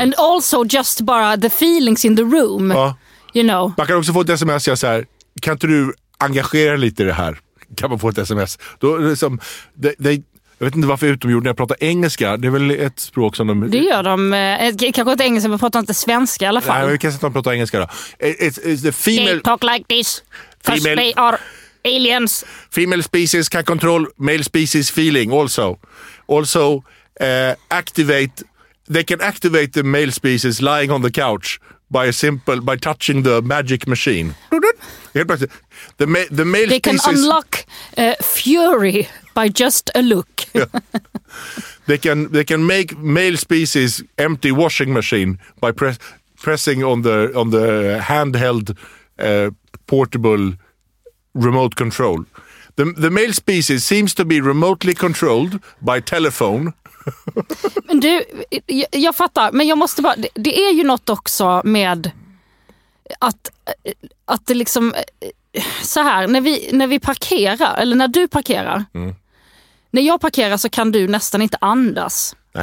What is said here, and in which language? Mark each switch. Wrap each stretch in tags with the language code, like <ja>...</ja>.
<en>And also just bara the feelings in the room.</en> <sv>Ja.</sv> <en>You know.</en> <sv>Man kan också få ett sms så här, kan inte du engagera lite i det här? Kan man få ett sms? Då liksom, jag vet inte varför utomjorden jag pratar engelska. Det är väl ett språk som de... Det gör de. Kanske inte engelska, men pratar inte svenska i alla fall. Nej, vi kan säga att de pratar engelska då.</sv> <en>It's the female... They talk like this. Female. They are aliens. Female species can control male species feeling also. Also activate, they can activate the male species lying on the couch by a simple by touching the magic machine. The male they can species, unlock fury by just a look. They can make male species empty washing machine by pressing on the handheld portable remote control. The male species seems to be remotely controlled by telephone.</en> <sv>Men du, jag fattar, men jag måste bara, det är ju något också med att det liksom så här, när vi parkerar, eller när du parkerar. Mm. När jag parkerar så kan du nästan inte andas.</sv>